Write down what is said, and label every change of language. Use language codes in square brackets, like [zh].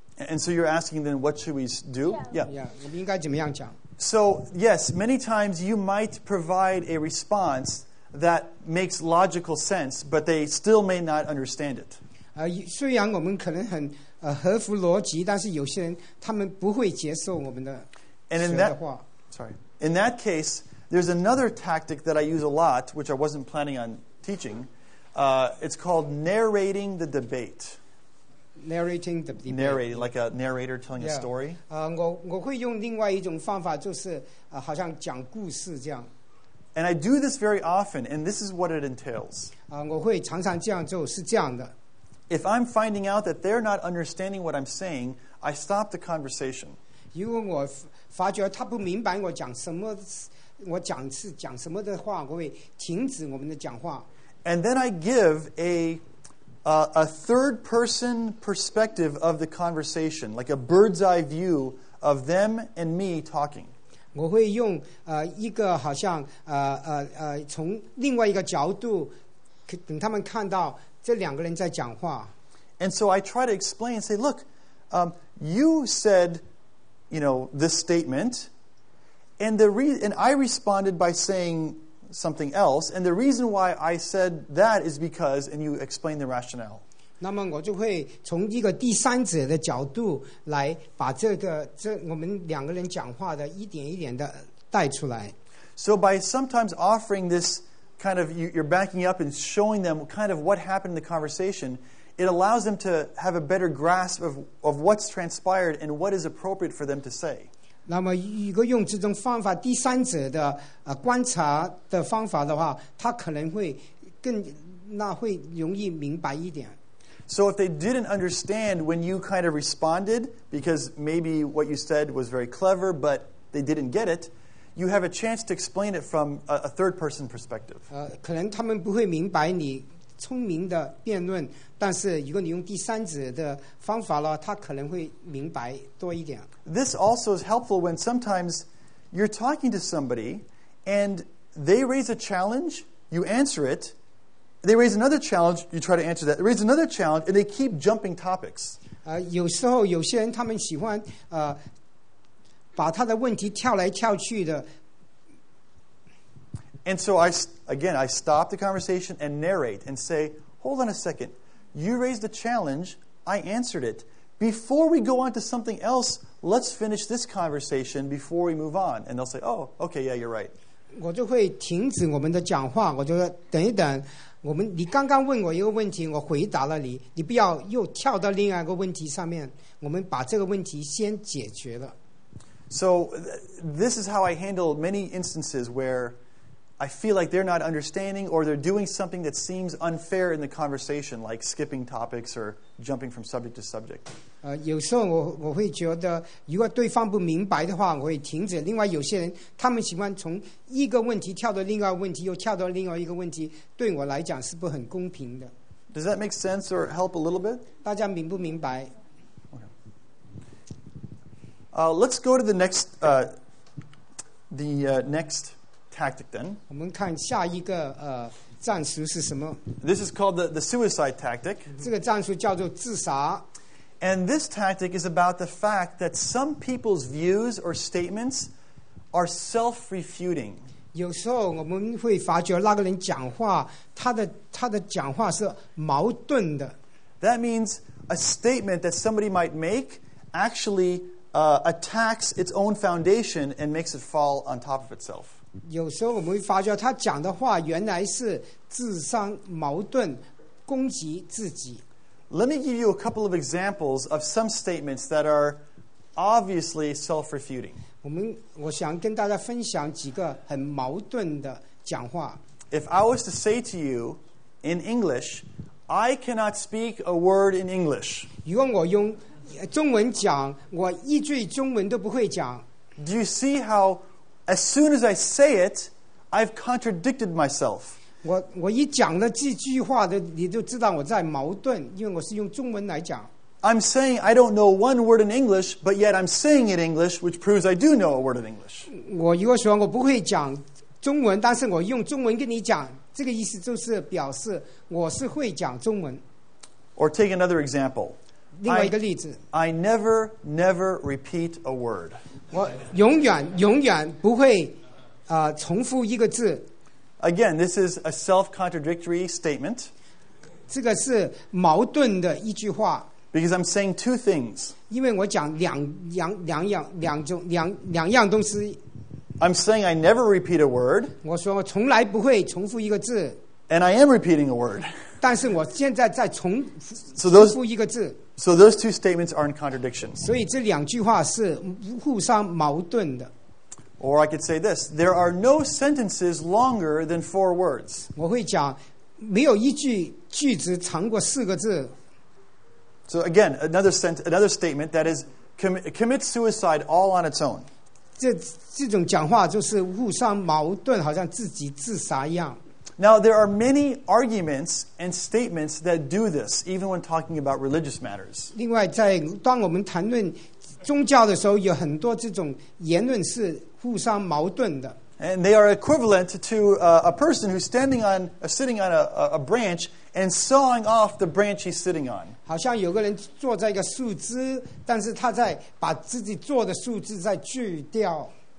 [en] And so you're asking then what should we do? [zh] Yeah. 我们应该怎么样讲？ [en] So yes, many times you might provide a response that makes logical sense, but they still may not understand it. [zh] 虽然我们可能很合乎逻辑，但是有些人他们不会接受我们的 [en] And in that case, there's another tactic that I use a lot, which I wasn't planning on teaching. It's called narrating the debate. narrating the debate. Narrating, like a narrator telling a story. [zh] 我会用另外一种方法，就是好像讲故事这样。 [en] And I do this very often, and this is what it entails. [zh] 我会常常这样做，是这样的。 [en] If I'm finding out that they're not understanding what I'm saying, I stop the conversation. [zh] 如果我发觉他不明白我讲什么，我讲是讲什么的话，我会停止我们的讲话。 [en] And then I give a third person perspective of the conversation, like a bird's eye view of them and me talking. [zh] 我会用一个好像从另外一个角度，等他们看到这两个人在讲话。 [en] And so I try to explain and say, look, you said, you know, this statement, and I responded by saying something else, and the reason why I said that is because, and you explain the rationale. [zh] 那么我就会从一个第三者的角度来把这我们两个人讲话的一点一点的带出来。 [en] So by sometimes offering this kind of, you're backing up and showing them kind of what happened in the conversation, it allows them to have a better grasp of what's transpired and what is appropriate for them to say. [zh] 那么如果用这种方法，第三者的观察的方法的话，他可能会更，那会容易明白一点。 [en] So if they didn't understand when you kind of responded, because maybe what you said was very clever, but they didn't get it, you have a chance to explain it from a third person perspective. [zh] 可能他们不会明白你聪明的辩论，但是如果你用第三者的方法了，他可能会明白多一点。 [en] This also is helpful when sometimes you're talking to somebody and they raise a challenge, you answer it, they raise another challenge, you try to answer that, they raise another challenge, and they keep jumping topics. [zh] 有时候有些人他们喜欢把他的问题跳来跳去的。 [en] And so I stop the conversation and narrate and say, hold on a second, you raised a challenge, I answered it. Before we go on to something else, let's finish this conversation before we move on. And they'll say, oh, okay, yeah, you're right. [zh] 我就会停止我们的讲话，我就说等一等，我们，你刚刚问我一个问题，我回答了你，你不要又跳到另外一个问题上面，我们把这个问题先解决了。 [en] So this is how I handle many instances where I feel like they're not understanding or they're doing something that seems unfair in the conversation, like skipping topics or jumping from subject to subject. [zh] 有时候我会觉得如果对方不明白的话，我会停止。另外有些人他们喜欢从一个问题跳到另外一个问题，又跳到另外一个问题，对我来讲是不很公平的。 [en] Does that make sense or help a little bit? [zh] 大家明不明白？ [en] Okay. Let's go to the next tactic then. [zh] 我们看下一个战术是什么。 [en] This is called the suicide tactic. [zh] 这个战术叫做自杀。 [en] And this tactic is about the fact that some people's views or statements are self-refuting. [zh] 有时候我们会发觉那个人讲话，他的讲话是矛盾的。 [en] That means a statement that somebody might make actually attacks its own foundation and makes it fall on top of itself. [zh] 有时候我们会发觉他讲的话原来是自相矛盾，攻击自己。 [en] Let me give you a couple of examples of some statements that are obviously self-refuting. [zh] 我想跟大家分享几个很矛盾的讲话。 [en] If I was to say to you in English, I cannot speak a word in English. [zh] 如果我用中文讲，我一句中文都不会讲。 [en] Do you see how as soon as I say it, I've contradicted myself? [zh] 我一讲了这句话的，你就知道我在矛盾，因为我是用中文来讲。 [en] I'm saying I don't know one word in English, but yet I'm saying it in English, which proves I do know a word in English. [zh] 我如果说我不会讲中文，但是我用中文跟你讲，这个意思就是表示我是会讲中文。 [en] Or take another example. [zh] 另外一个例子。 [en] I never, never repeat a word. [zh] 我永远永远不会重复一个字。 [en] Again, this is a self-contradictory statement. [zh] 这个是矛盾的一句话。 [en] Because I'm saying two things. [zh] 因为我讲两样东西。 [en] I'm saying I never repeat a word. [zh] 我说我从来不会重复一个字。 [en] And I am repeating a word. [zh] 但是我现在再重复、so、一个字。 [en] So those two statements are in contradiction. [zh] 所以这两句话是互相矛盾的。 [en] Or I could say this: there are no sentences longer than four words. [zh] 我会讲，没有一句句子长过四个字。 [en] So again, another statement that is commit suicide all on its own. [zh] 这种讲话就是互相矛盾，好像自己自杀一样。 [en] Now, there are many arguments and statements that do this, even when talking about religious matters. [zh] 另外在当我们谈论宗教的时候，有很多这种言论是互相矛盾的。 [en] And they are equivalent to a person who's standing on, sitting on a branch and sawing off the branch he's sitting on. [zh] 好像有个人坐在一个树枝，但是他在把自己坐的树枝在锯掉。